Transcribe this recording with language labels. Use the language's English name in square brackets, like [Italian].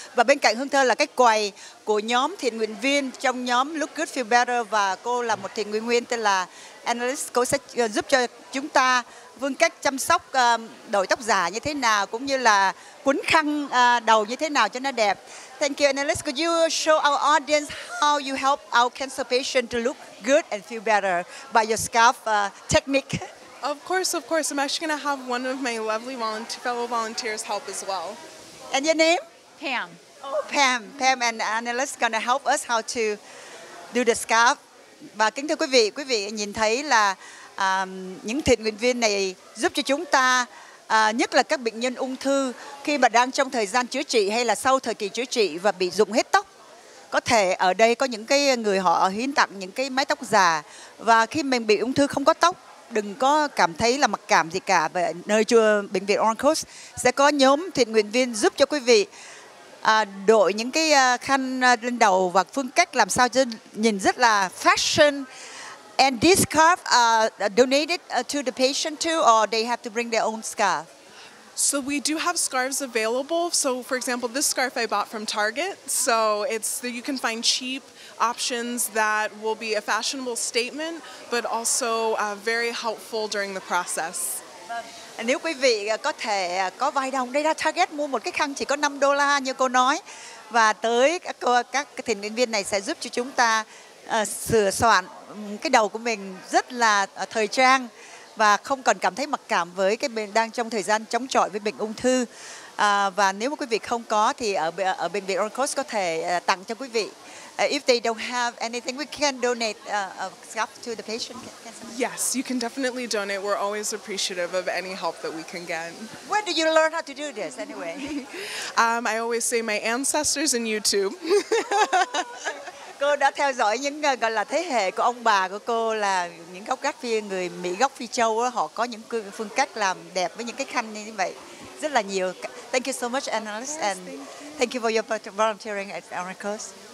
[Vietnamese] Và bên cạnh Hương Thơ là cái quầy của nhóm thiện nguyện viên trong nhóm Look Good Feel Better, và cô là một thiện nguyện viên tên là Analyst. Cô sẽ giúp cho chúng ta vương cách chăm sóc đổi tóc giả như thế nào, cũng như là quấn khăn đầu như thế nào cho nó đẹp. [English] Thank you, Analyst. Could you show our audience how you help our cancer patient to look good and feel better by your scalp technique? Of course. I'm actually going to have one of my lovely fellow volunteers help as well. And your name? Pam. Oh, Pam. Pam and Analyst going to help us how to do the scalp. [Vietnamese] Và kính thưa quý vị nhìn thấy là những thiện nguyện viên này giúp cho chúng ta, nhất là các bệnh nhân ung thư, khi mà đang trong thời gian chữa trị hay là sau thời kỳ chữa trị và bị rụng hết tóc. Có thể ở đây có những cái người họ hiến tặng những cái mái tóc giả, và khi mình bị ung thư không có tóc, đừng có cảm thấy là mặc cảm gì cả. Và nơi chùa bệnh viện Oncos sẽ có nhóm thiện nguyện viên giúp cho quý vị đội những cái khăn lên đầu và phương cách làm sao cho nhìn rất là fashion. [English] And this scarf donated to the patient too, or they have to bring their own scarf? So we do have scarves available. So for example, this scarf I bought from Target. So it's that you can find cheap options that will be a fashionable statement, but also very helpful during the process. [Vietnamese] Nếu quý vị có thể có vài đồng đây ra Target mua một cái khăn chỉ có $5 như cô nói, và tới các thành viên này sẽ giúp cho chúng ta sửa soạn cái đầu của mình rất là thời trang và không còn cảm thấy mặc cảm với cái bệnh đang trong thời gian chống chọi với bệnh ung thư. Và nếu mà quý vị không có thì ở bệnh viện Oncos có thể tặng cho quý vị. [English] If they don't have anything, we can donate a scarf to the patient. Yes, you can definitely donate. We're always appreciative of any help that we can get. Where do you learn how to do this anyway? I always say my ancestors and YouTube. [Vietnamese] Cô đã theo dõi những gọi là thế hệ của ông bà của cô, là những gốc gác phi người Mỹ gốc Phi Châu đó, họ có những phương cách làm đẹp với những cái khăn như vậy rất là nhiều. [English] Thank you so much, Analyst, yes, and thank you for your volunteering at Oncos.